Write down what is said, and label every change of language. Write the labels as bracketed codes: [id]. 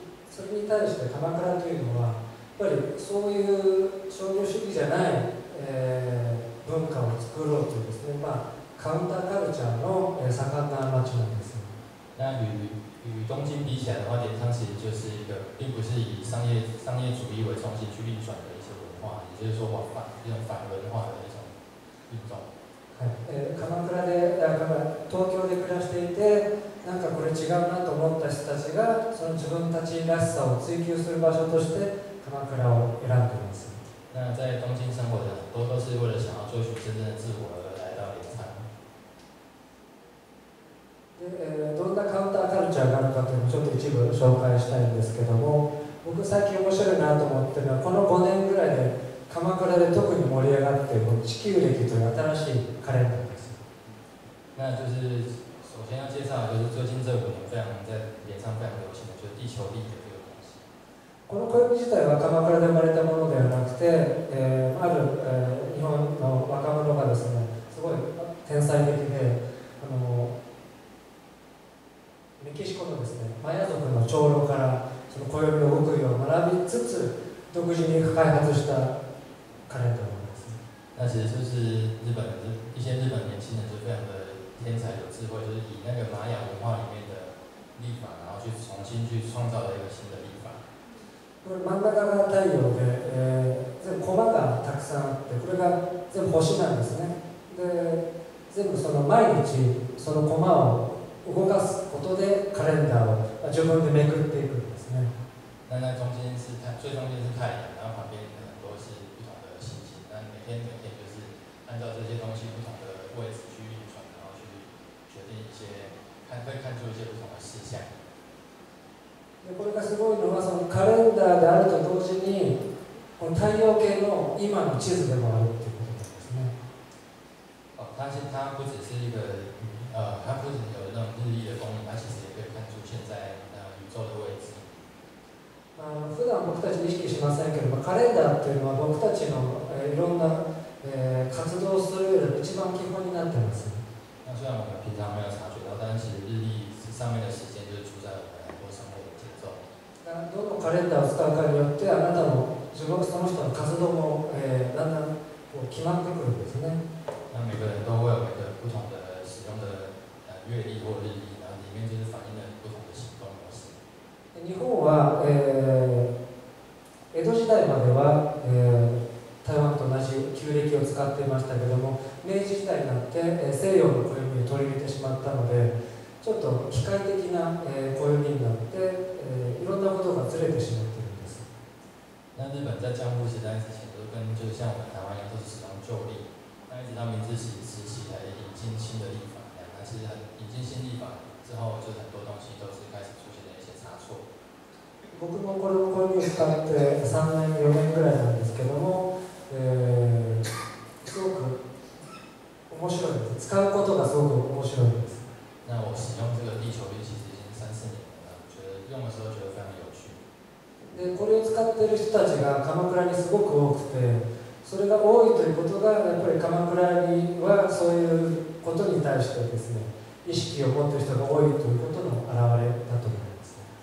[ja] それに対して鎌倉というのは、やっぱりそういう商業主義じゃない、文化を作ろうというですね、カウンターカルチャーの盛んな町なんです。 [zh] 那与东京比起来的话，镰仓其实就是一个，并不是以商业主义为中心去运转的一些文化，也就是说反文化的一种运动。 [ja] 鎌倉で、東京で暮らしていて、なんかこれ違うなと思った人たちが、その自分たちらしさを追求する場所として鎌倉を選んでいます。 [zh] 那在东京生活的很多都是为了想要追求真正的自我而来到镰仓。 [ja] どんなカウンターカルチャーがあるかというのをちょっと一部紹介したいんですけども、僕最近面白いなと思っているのは、この5年ぐらいで鎌倉で特に盛り上がっている地球歴という新しいカレンダーです。 [zh] 那就是首先要介绍的就是最近这五年非常在脸上非常流行的就是地球历的这个东西。 [ja] この暦自体は鎌倉で生まれたものではなくて、ある、日本の若者がですね、すごい天才的で、メキシコのですね、マヤ族の長老からその暦の極意を学びつつ独自に開発したカレンダーなんですね。 [zh] 那其实就是日本的一些日本年轻人就非常的天才有智慧，就是以那个玛雅文化里面的历法，然后去重新去创造了一个新的历法。 [ja] これ真ん中が太陽で、全部駒がたくさんあって、これが全部星なんですね。で、全部その毎日その駒を動かすことでカレンダーを自分でめくっていくんですね。 [zh] 那中间是太最中间是太阳，然后旁边很多是不同的星星。那每天就是按照这些东西不同的位置去运转，然后去决定一些看出一些不同的事项。 [ja] でこれがすごいのは、そのカレンダーであると同時に、こ太陽系の今の地図でもあるってことなんですね。 [zh] 哦，它是它不只是一个它不仅有那种日历的功能，它其实也可以看出现在宇宙的位置。 [ja] 普段僕たち意識しませんけど、カレンダーというのは僕たちのいろんな活動する上で一番基本になってます。 [zh] 那虽然我们平常没有察觉到，但是其实日历上面的时间就是主宰我们很多生活的节奏。 [ja] どのカレンダーを使うかによって、あなたの自分その人の活動も、だんだんこう決まってくるんですね。 [zh] 那每个人都会有每个不同的使用的月历或日历，然后里面就是反映了不同的行动模式。 [ja] 日本は、江戸時代までは、台湾と同じ旧暦を使っていましたけれども、明治時代になって、西洋の暦に取り入れてしまったので、ちょっと機械的な暦、になって、いろんなことがずれてしまっているんです。 [zh] 那日本在江户时代之前都跟就像我们台湾一样都是使用旧历，那一直到明治时期才引进新的历法，那其实引进新历法之后，就很多东西都是开始出现了一些差错。 [ja] 僕もこれを購入したって3年、4年ぐらいなんですけども、すごく面白いです。使うことがすごく面白いです。 [zh] 那我使用这个地球历其实已经三四年了，觉得用的时候觉得非常有趣。 [ja] で、これを使っている人たちが鎌倉にすごく多くて、それが多いということがやっぱり鎌倉にはそういうことに対してですね、意識を持っている人が多いということの表れだと思います。